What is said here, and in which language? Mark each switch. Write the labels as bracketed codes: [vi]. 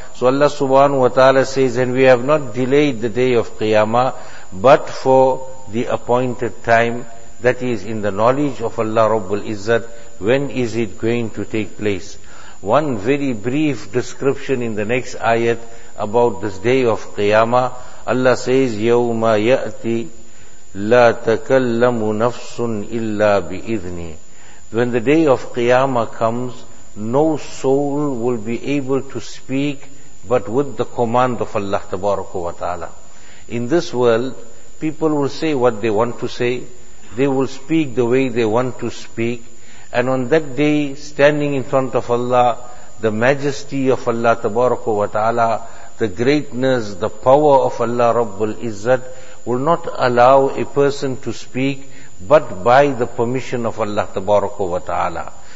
[en] So Allah subhanahu wa ta'ala says, and we have not delayed the day of Qiyamah, but for the appointed time, that is in the knowledge of Allah Rabbul Izzat, when is it going to take place? One very brief description in the next ayat about this day of Qiyamah. Allah says, [ar] يَوْمَ يَأْتِي لَا تَكَلَّمُ نَفْسٌ إِلَّا بِإِذْنِي. [en] When the day of Qiyamah comes, no soul will be able to speak but with the command of Allah Tabaraka wa Ta'ala. In this world, people will say what they want to say, they will speak the way they want to speak, and on that day, standing in front of Allah, the majesty of Allah Tabaraka wa Ta'ala, the greatness, the power of Allah Rabbul Izzat, will not allow a person to speak but by the permission of Allah Tabaraka wa Ta'ala.